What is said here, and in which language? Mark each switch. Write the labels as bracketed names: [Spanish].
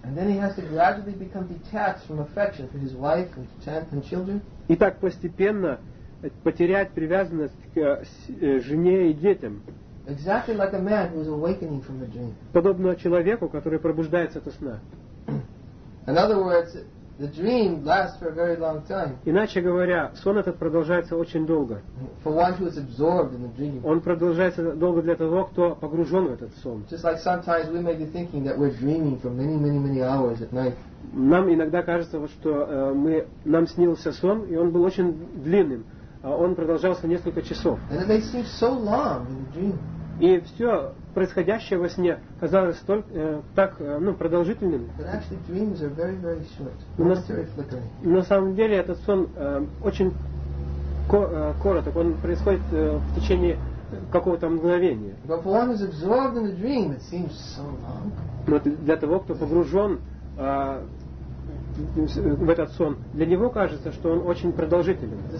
[English] And then he has to gradually become detached from affection for his wife and chant and children. [Russian] И так постепенно потерять привязанность к жене и детям. [English] Exactly like a man who is awakening from a dream. [Russian] Подобно человеку, который пробуждается от сна. [English] In other words, the dream lasts for a very long time. [Russian] Иначе говоря, сон этот продолжается очень долго. [English] For one who is absorbed in the dream. [Russian] Он продолжается долго для того, кто погружен в этот сон. [English] Just like sometimes we may be thinking that we're dreaming for many, many, many hours at night. [Russian] Нам иногда кажется, вот, что нам снился сон, и он был очень длинным. Он продолжался несколько часов. [English] And it may seem so long in the dream. [Russian] И все происходящее во сне казалось столь, так продолжительным. [English] But actually, dreams are very, very short. Momentary flickering. [Russian] На самом деле этот сон очень короток. Он происходит в течение какого-то мгновения. [English] But for one who's absorbed in the dream, it seems so long. [Russian] Но для того, кто погружен в этот сон, для него кажется, что он очень продолжителен.